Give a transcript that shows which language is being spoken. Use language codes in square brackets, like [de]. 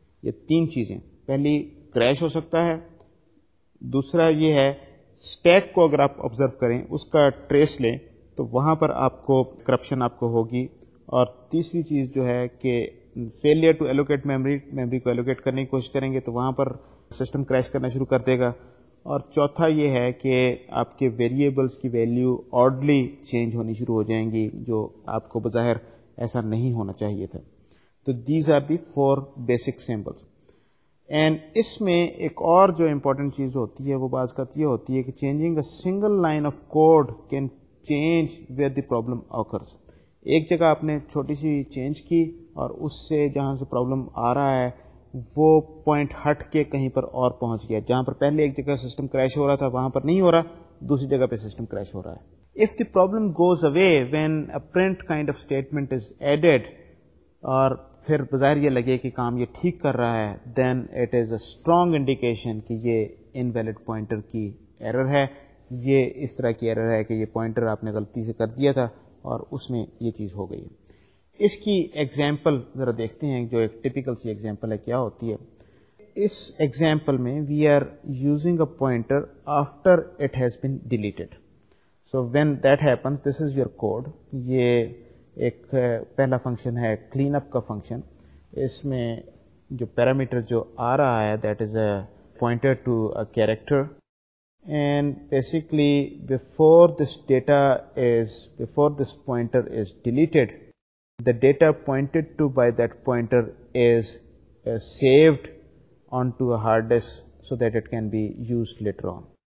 [ur] یہ تین چیزیں, پہلی کریش ہو سکتا ہے, دوسرا یہ ہے اسٹیک کو اگر آپ آبزرو کریں اس کا ٹریس لیں تو وہاں پر آپ کو کرپشن آپ کو ہوگی, اور تیسری چیز جو ہے کہ [en] failure to allocate memory, [ur] memory کو ایلوکیٹ کرنے کی کوشش کریں گے تو وہاں پر سسٹم کریش کرنا شروع کر دے گا, اور چوتھا یہ ہے کہ آپ کے ویریبلس کی ویلیو آڈلی چینج ہونی شروع ہو جائیں گی جو آپ کو بظاہر ایسا نہیں ہونا چاہیے تھا. [en] تو these are the four basic samples. [ur] And اس میں ایک اور جو امپورٹنٹ چیز ہوتی ہے وہ بعض کا یہ ہوتی ہے کہ [en] Changing a single line of code can change where the problem occurs. [ur] ایک جگہ آپ نے چھوٹی سی چینج کی اور اس سے جہاں سے پرابلم آ رہا ہے وہ پوائنٹ ہٹ کے کہیں پر اور پہنچ گیا, جہاں پر پہلے ایک جگہ سسٹم کریش ہو رہا تھا وہاں پر نہیں ہو رہا, دوسری جگہ پہ سسٹم کریش ہو رہا ہے. [en] If the problem goes away when a print kind of statement is added, [ur] اور پھر بظاہر یہ لگے کہ کام یہ ٹھیک کر رہا ہے, [en] then it is a strong indication [ur] کہ یہ [en] invalid pointer کی error ہے. [ur] یہ اس طرح کی error ہے کہ یہ pointer آپ نے غلطی سے کر دیا تھا اور اس میں یہ چیز ہو گئی. اس کی example ذرا دیکھتے ہیں, جو ایک typical سی example ہے کیا ہوتی ہے. اس example میں [en] we are using a pointer after it has been deleted. So when that happens, this is your code. [ur] یہ ایک پہلا فنکشن ہے کلین اپ کا فنکشن. اس میں جو پیرامیٹر جو آ رہا ہے [en] That is a pointer to a character, and basically before this data is before this pointer is deleted the data pointed to by that pointer is saved on to a hard disk so that it can be used later on.